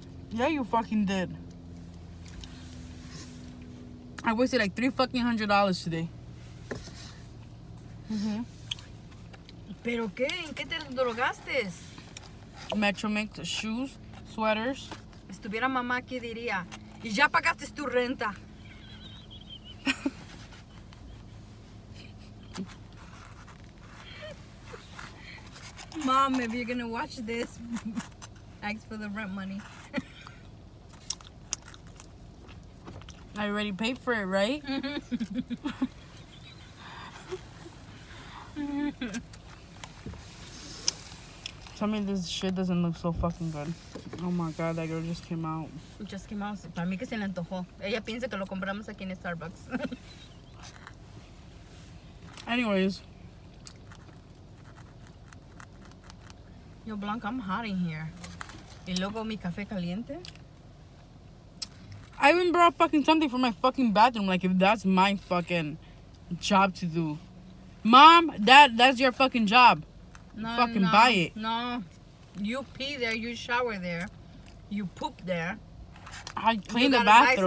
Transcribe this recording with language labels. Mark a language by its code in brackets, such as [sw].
[en] Yeah, you fucking did. I wasted like $300 today. Mm-hmm. [es] Pero qué? ¿En qué te drogaste? [en] Metromix, shoes, sweaters. [es] Estuviera mamá aquí diría, y ya pagaste tu renta. [en] Mom, if you're gonna watch this, ask for the rent money. I already paid for it, right? Tell me this shit doesn't look so fucking good. Oh my god, that girl just came out. Just came out. [es] Para mí que se le antojó. Ella piensa que lo compramos aquí en Starbucks. [en] Anyways. [es] Yo, Blanca, [en] I'm hot in here. [es] Y luego mi café caliente. [en] I even brought fucking something for my fucking bathroom. Like, if that's my fucking job to do. Mom, that's your fucking job. No, fucking no, buy it. No. You pee there. You shower there. You poop there. I clean the bathroom.